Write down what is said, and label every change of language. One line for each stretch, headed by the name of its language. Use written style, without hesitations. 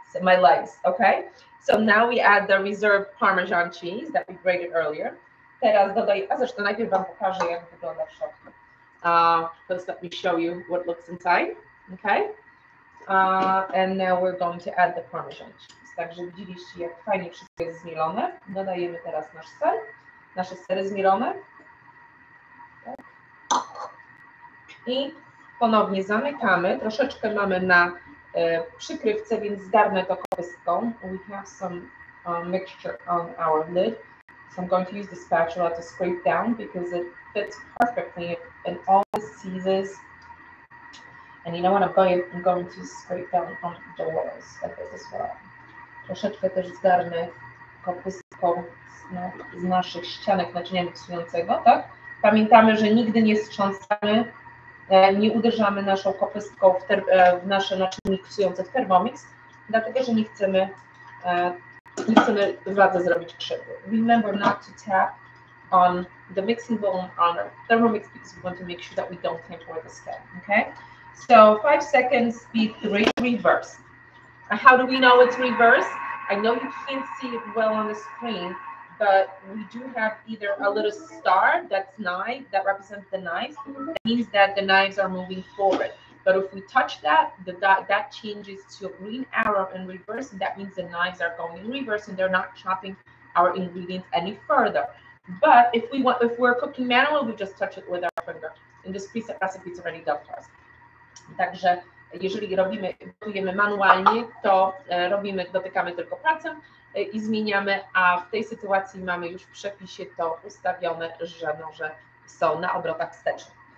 English: So my legs, okay? So now we add the reserved Parmesan cheese that we grated earlier.
Polish: Teraz dodaj, a zresztą najpierw wam pokażę, jak wygląda w środku.
English: First let me show you what looks inside, okay? And now we're going to add the Parmesan cheese.
Polish: Także widzieliście, jak fajnie wszystko jest zmielone. Dodajemy teraz nasz ser. Nasze sery zmielone. Tak. I ponownie zamykamy. Troszeczkę mamy na przykrywce, więc zgarnę to kołyską.
English: We have some mixture on our lid. So I'm going to use the spatula to scrape down because it fits perfectly in all the cheeses. And you know what, I'm going to scrape down on the walls like this as well.
Polish: Troszeczkę też zgarnę kopyską z naszych ścianek naczynia miksującego, tak? Pamiętamy, że nigdy nie strząsamy, nie uderzamy naszą kopyską w nasze naczynie miksujące w Thermomix, dlatego że nie chcemy władze zrobić krzywdy.
English: Remember not to tap on the mixing bowl on Thermomix because we want to make sure that we don't tamper the skin, okay? So 5 seconds, speed 3, reverse. How do we know it's reverse? I know you can't see it well on the screen, but we do have either a little star, that's knife, that represents the knives. It means that the knives are moving forward. But if we touch that, that changes to a green arrow in reverse, and that means the knives are going in reverse and they're not chopping our ingredients any further. But if we're cooking manually, we just touch it with our finger. And this preset recipe is already done for us.
Polish: Także jeżeli gotujemy manualnie, to dotykamy tylko palcem i zmieniamy, a w tej sytuacji mamy już w przepisie to ustawione, że noże są na obrotach wstecznych.